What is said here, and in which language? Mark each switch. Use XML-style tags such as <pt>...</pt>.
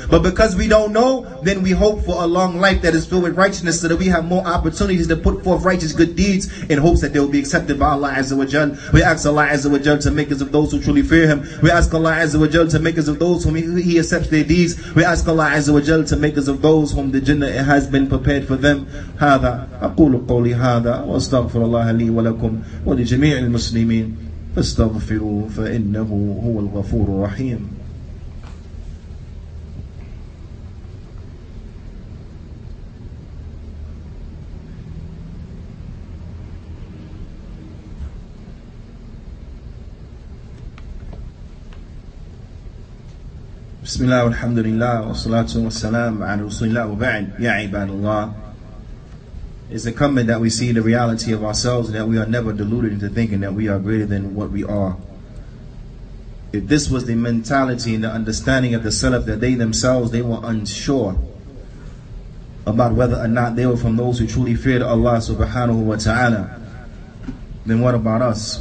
<en>But because we don't know, then we hope for a long life that is filled with righteousness, so that we have more opportunities to put forth righteous good deeds in hopes that they will be accepted by Allah Azza wa Jal. We ask Allah Azza wa Jal to make us of those who truly fear Him. We ask Allah Azza wa Jal to make us of those whom He accepts their deeds. We ask Allah Azza wa Jal to make us of those whom the Jannah has been prepared for them.</en> <ar>هذا أقول قولي هذا وأستغفر الله لي ولكم ولجميع المسلمين فاستغفروا فإنه هو الغفور الرحيم. بسم الله والحمد لله والصلاة والسلام على رسول الله وبعد يا عباد الله.</ar> <en>It's incumbent that we see the reality of ourselves, and that we are never deluded into thinking that we are greater than what we are. If this was the mentality and the understanding of the Salaf, that they themselves, they were unsure about whether or not they were from those who truly feared Allah subhanahu wa ta'ala, then what about us?</en>